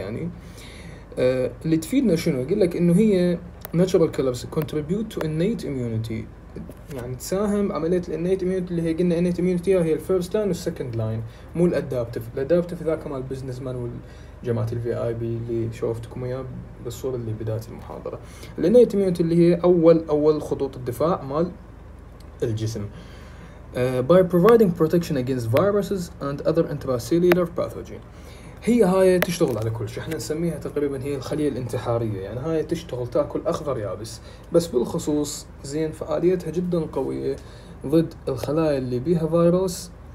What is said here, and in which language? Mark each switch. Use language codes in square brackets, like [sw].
[ar] يعني اللي تفيدنا شنو؟ يقول لك انه هي [en] natural killers contribute to innate immunity, [ar] يعني تساهم عملية الانيت اميونيتي اللي هي قلنا انيت اميونيتي هي الفيرست لاين والسكند لاين، مو الادابتف. الادابتف ذاك مال البزنس مان والجماعه الفي اي بي اللي شوفتكم اياه بالصوره اللي بدايه المحاضره. الانيت اميونيتي اللي هي اول خطوط الدفاع مال الجسم. [en] By providing protection against viruses and other intracellular pathogens. [ar] هي هاي تشتغل على كل شيء، احنا نسميها تقريبا هي الخليه الانتحاريه، يعني هاي تشتغل تاكل اخضر يابس، بس بالخصوص زين فعاليتها جدا قويه ضد الخلايا اللي بيها فيروس.